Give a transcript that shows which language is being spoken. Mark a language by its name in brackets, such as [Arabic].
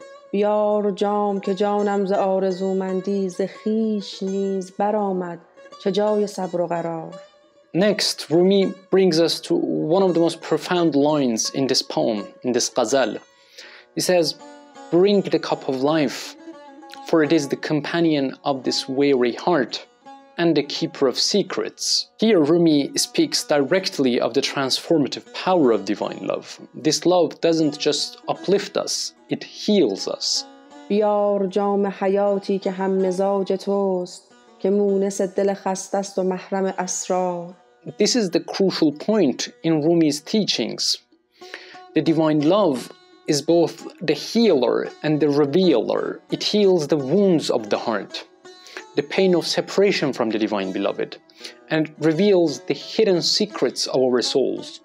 [Persian] بیار جام که جانم ز آرزومندی ز خیش نیز برآمد چه جای صبر و قرار. [English] Next, Rumi brings us to one of the most profound lines in this poem, in this ghazal. He says, bring the cup of life, for it is the companion of this weary heart and the keeper of secrets. Here, Rumi speaks directly of the transformative power of divine love. This love doesn't just uplift us, it heals us. [Persian] بیار جام حیاتی که هم مزاج توست. [English] This is the crucial point in Rumi's teachings. The divine love is both the healer and the revealer. It heals the wounds of the heart, the pain of separation from the divine beloved, and reveals the hidden secrets of our souls.